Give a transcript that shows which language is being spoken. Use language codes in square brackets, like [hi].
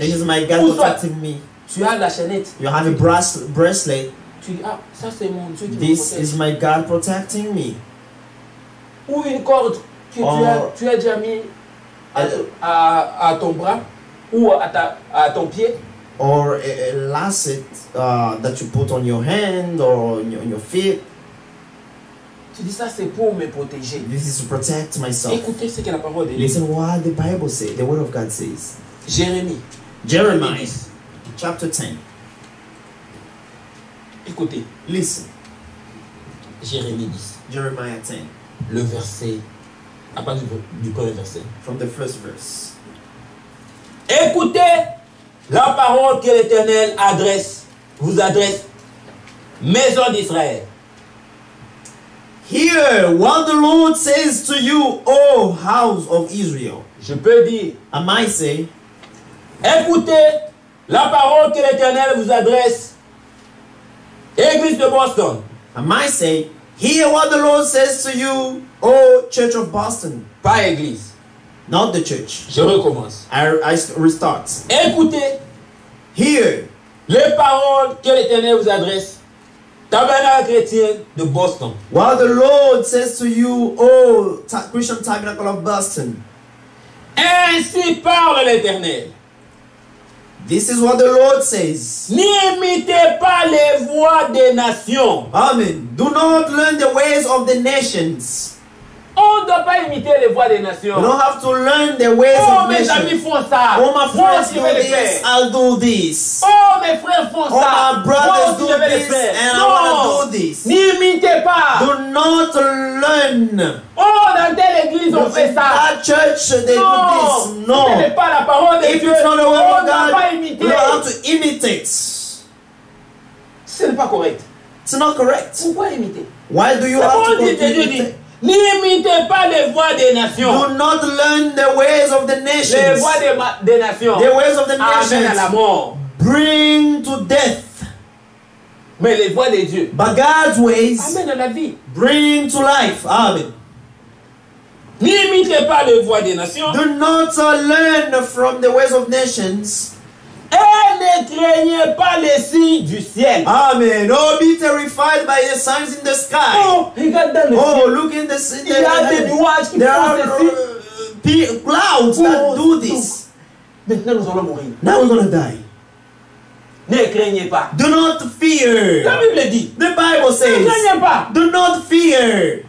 [en] This is my God protecting me. [fr] Tu as la chaînette. [en] You have a bracelet. [fr] Tu dis, ah, ça c'est mon Dieu qui [en] this [fr] me protège. [en] Is my God protecting me. [fr] Ou une corde que tu as déjà mis à ton bras ou à ton pied. [en] Or a lacet that you put on your hand or on your feet. [fr] Tu dis ça c'est pour me protéger. [en] This is to protect myself. [fr] Écoutez ce que la parole dit. [en] Listen what the Bible says. The word of God says. Jeremiah chapter 10. [fr] Écoutez. [en] Listen. Jeremiah 10. [fr] Le verset à partir du premier verset. [en] From the first verse. [fr] Écoutez la parole que l'Éternel vous adresse, maison d'Israël. [en] Hear what the Lord says to you, O house of Israel. [fr] Je peux dire, [en] am I say? [fr] Écoutez la parole que l'Éternel vous adresse, Église de Boston. [en] Am I say? Hear what the Lord says to you, O Church of Boston. [fr] Pas Église. [en] Not the church. [fr] Je recommence. [en] I restart. [fr] Écoutez. [en] Hear. [fr] Les paroles que l'Éternel vous adresse. Tabernacle chrétien de Boston. [en] While the Lord says to you, O Christian Tabernacle of Boston. [fr] Ainsi parle l'Éternel. [en] This is what the Lord says. [fr] N'imitez pas les voies des nations. [en] Amen. Do not learn the ways of the nations. [fr] On ne doit pas imiter les voies des nations. [en] You don't have to learn the ways of nations. [fr] Oh, mes amis font ça. [en] Oh, my friends do this. I'll do this. [fr] Oh, mes frères font ça. [en] Oh, my brothers do this. And [fr] non. [en] I want to do this. [fr] N'imitez pas. [en] Do not learn. [fr] Oh, dans telle église, on fait ça. [en] That church, they do this. No. [fr] Ce n'est pas la parole de [en] if [fr] Dieu. [en] If it's not the word of God, [fr] on ne doit pas imiter. [en] You don't have to imitate. [fr] Ce n'est pas correct. [en] It's not correct. [fr] Pourquoi imiter? [en] Why do you have to imitate? [fr] N'imitez pas les voies des nations. [en] Do not learn the ways of the nations. [fr] Les voies des nations. [en] The ways of the nations. [fr] Amen à la mort. [en] Bring to death. [fr] Mais les voies de Dieu. [en] But God's ways. [fr] Amen à la vie. [en] Bring to life. Amen. [fr] N'imitez pas les voies des nations. [en] Do not learn from the ways of nations. [fr] Et ne craignez pas les signes du ciel. [en] Amen. Oh, be terrified by the signs in the sky. [fr] Oh, regarde dans le ciel. [en] Oh, look in the sky. [fr] Il y a des nuages qui font des [en] signes. Clouds that do this. [fr] Maintenant, nous allons mourir. [en] Now we're gonna die. [fr] Ne craignez pas. [en] Do not fear. [fr] La Bible dit. [en] The Bible says. [fr] Ne craignez pas. [en] Do not fear.